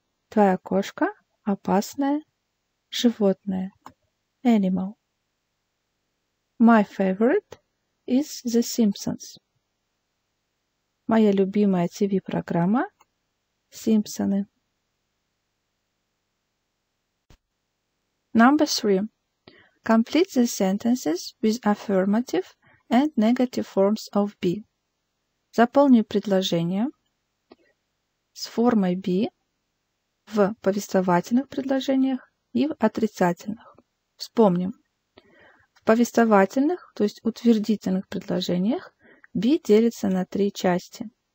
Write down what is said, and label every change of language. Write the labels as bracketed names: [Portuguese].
[Russian] Твоя кошка – опасное животное. [English] Animal. My favorite is The Simpsons. [Russian] Моя любимая ТВ-программа – Симпсоны. [English] Number three. Complete the sentences with affirmative and negative forms of be. [Russian] Заполни предложение с формой be в повествовательных предложениях и в отрицательных. Вспомним. В повествовательных, то есть утвердительных предложениях, be делится на три части.